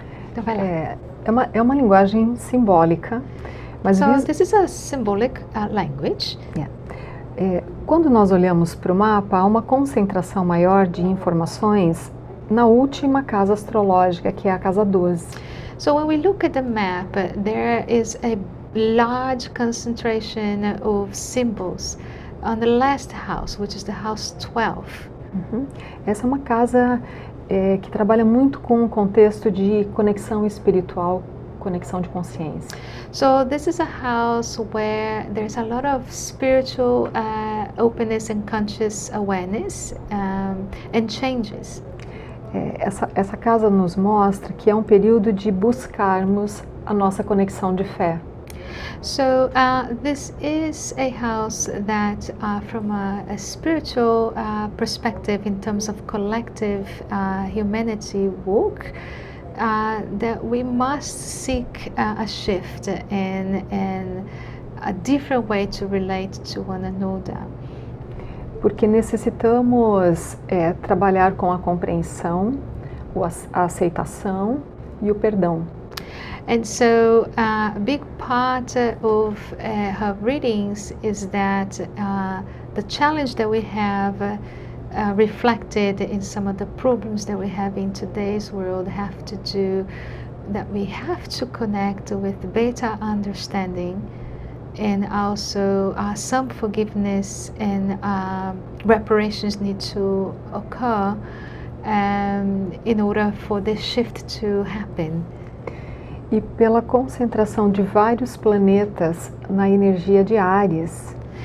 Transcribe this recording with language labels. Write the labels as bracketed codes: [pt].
[pt] Então, vai lá. É uma linguagem simbólica, mas [en] This is a symbolic language. Yeah. [pt] Quando nós olhamos para o mapa, há uma concentração maior de informações na última casa astrológica, que é a casa 12. [en] So when we look at the map, there is a large concentration of symbols on the last house, which is the house 12. Uhum. [pt] Essa é uma casa que trabalha muito com o contexto de conexão espiritual, conexão de consciência. [en] So this is a house where there's a lot of spiritual openness and conscious awareness and changes. [pt] Essa casa nos mostra que é um período de buscarmos a nossa conexão de fé. [en] So this is a house that from a spiritual perspective in terms of collective humanity work, that we must seek a shift and a different way to relate to one another. [pt] Porque necessitamos trabalhar com a compreensão, a aceitação e o perdão. [en] And so a big part of her readings is that the challenge that we have reflected in some of the problems that we have in today's world have to do that we have to connect with better understanding and also some forgiveness and reparations need to occur in order for this shift to happen. [pt] E pela concentração de vários planetas na energia de Áries.